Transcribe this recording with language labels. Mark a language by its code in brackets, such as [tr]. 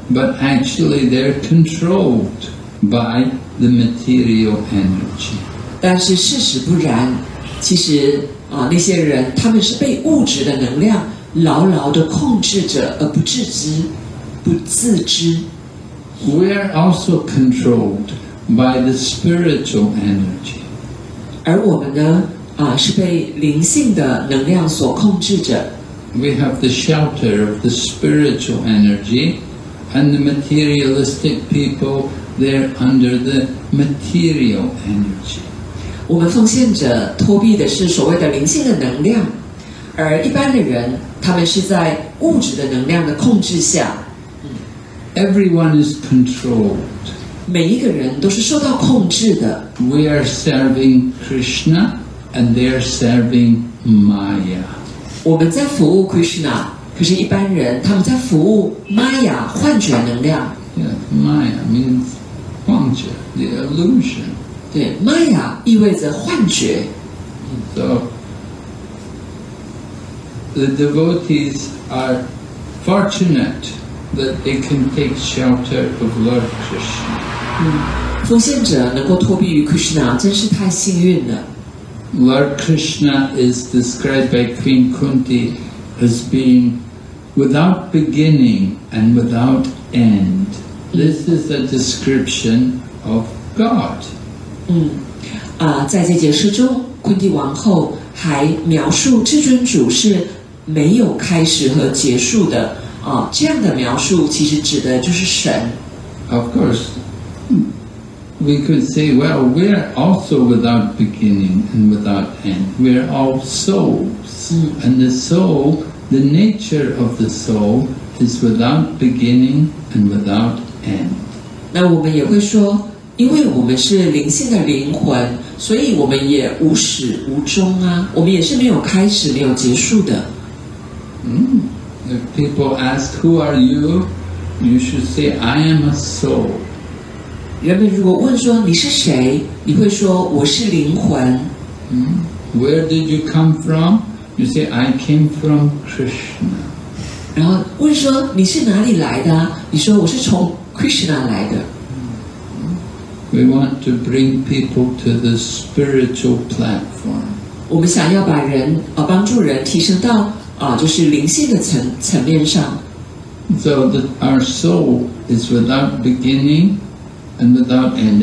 [en] But actually they're controlled. By the material energy. [zh] 但是事实不然，其实啊，那些人他们是被物质的能量牢牢地控制着，而不自知。 [en] We are also controlled by the spiritual energy. [zh] 而我们呢，啊，是被灵性的能量所控制着。 [en] We have the shelter of the spiritual energy, and the materialistic people. They're under the material energy. [zh] 我们奉献者托庇的是所谓的灵性的能量，而一般的人，他们是在物质的能量的控制下。 [en] Everyone is controlled. [zh] 每一个人都是受到控制的。 [en] We are serving Krishna, and they are serving Maya. [zh] 我们在服务 Krishna, 可是一般人他们在服务 Maya 幻觉能量。 [en] Yeah, Maya means [zh] 幻觉 [en] the illusion. [zh] 对 ，Maya 意味着幻觉。 [en] So the devotees are fortunate that they can take shelter of Lord Krishna. [zh] 奉献者能够托庇于 Krishna， 真是太幸运了。 [en] Lord Krishna is described by Queen Kunti as being without beginning and without end. This is a description of God. [zh] 在这节诗中，昆蒂王后还描述至尊主是没有开始和结束的。这样的描述其实指的就是神。 [en] Of course, we could say, well, we are also without beginning and without end. We are all souls. And the soul, the nature of the soul, is without beginning and without end. [zh] 那我们也会说，因为我们是灵性的灵魂，所以我们也无始无终啊，我们也是没有开始、没有结束的。 [en] If people ask who are you, you should say I am a soul. [zh] 人们如果问说你是谁，你会说我是灵魂。 [en] Where did you come from? You say I came from Krishna. [zh] 然后问说你是哪里来的？你说我是从Krishna 来的。 [en] We want to bring people to the spiritual platform. [zh] 我们想要把人帮助人提升到就是灵性的层面上。 [en] So that our soul is without beginning and without end.